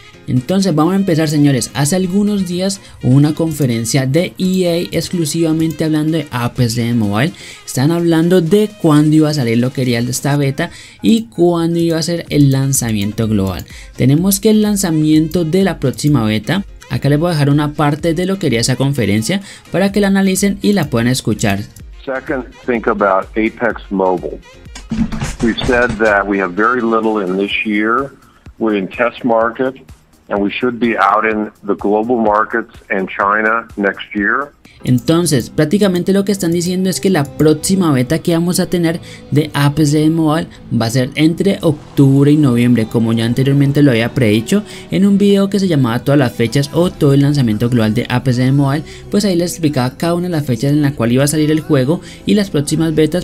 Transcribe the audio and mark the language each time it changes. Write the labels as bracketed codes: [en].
[es] Entonces vamos a empezar, señores. Hace algunos días hubo una conferencia de EA exclusivamente hablando de Apex Legends Mobile. Están hablando de cuándo iba a salir lo que era esta beta y cuándo iba a ser el lanzamiento global. Tenemos que el lanzamiento de la próxima beta. Acá les voy a dejar una parte de lo que era esa conferencia para que la analicen y la puedan escuchar. [en] Second, think about Apex Mobile. We said that we have very little in this year. We're in test market. And we should be out in the global markets and China next year. [es] Entonces, prácticamente lo que están diciendo es que la próxima beta que vamos a tener de Apex Legends Mobile va a ser entre octubre y noviembre, como ya anteriormente lo había predicho en un video que se llamaba todas las fechas o todo el lanzamiento global de Apex Legends Mobile. Pues ahí les explicaba cada una de las fechas en la cual iba a salir el juego y las próximas betas.